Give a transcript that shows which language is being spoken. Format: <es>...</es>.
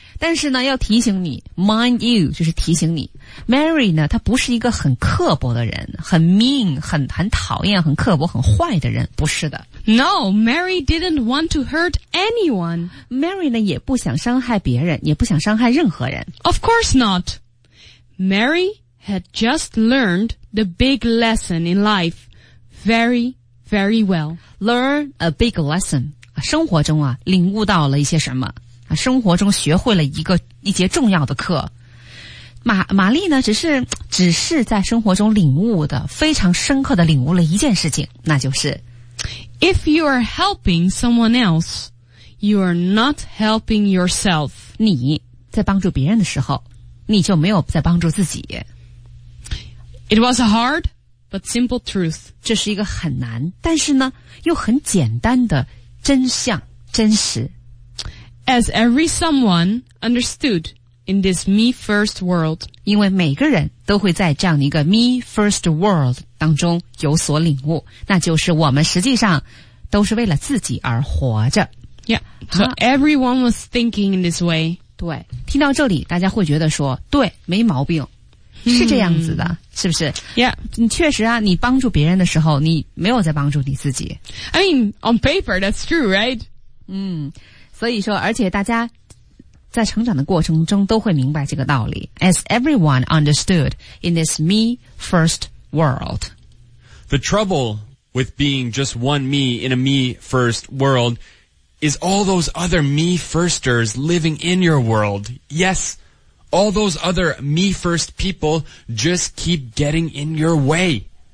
<zh>但是呢要提醒你 ,</zh> <en>mind you,</en> <zh>就是提醒你。Mary 呢她不是一个很刻薄的人很 mean, 很讨厌很刻薄很坏的人不是的。</zh> <en>No, Mary didn't want to hurt anyone.</en> <zh>Mary 呢也不想伤害别人也不想伤害任何人。</zh> <en>Of course not. Mary had just learned the big lesson in life. Very well. Learn a big lesson.</en> <zh>生活中啊领悟到了一些什么。生活中学会了一节重要的课。玛丽呢只是在生活中领悟的非常深刻的领悟了一件事情那就是</zh> <en>If you are helping someone else, you are not helping yourself.</en> <zh>你在帮助别人的时候你就没有在帮助自己。</zh> <en>It was hard. But simple truth.</en> <zh>这是一个很难但是呢又很简单的真相真实。</zh> <en>As every someone understood in this me first world.</en> <zh>因为每个人都会在这样一个</zh> <en>me first world</en> <zh>当中有所领悟那就是我们实际上都是为了自己而活着。</zh> <en>Yeah, so everyone was thinking in this way.</en> <zh>对听到这里大家会觉得说对没毛病。是这样子的、是不是</zh> <en>Yeah.</en> <zh>你确实啊你帮助别人的时候你没有在帮助你自己。</zh> <en>I mean, on paper, that's true, right?</en> <zh>所以说而且大家在成长的过程中都会明白这个道理。</zh> <en>As everyone understood in this me first world. The trouble with being just one me in a me first world is all those other me firsters living in your world. Yes. All those other me first people just keep getting in your way.</en>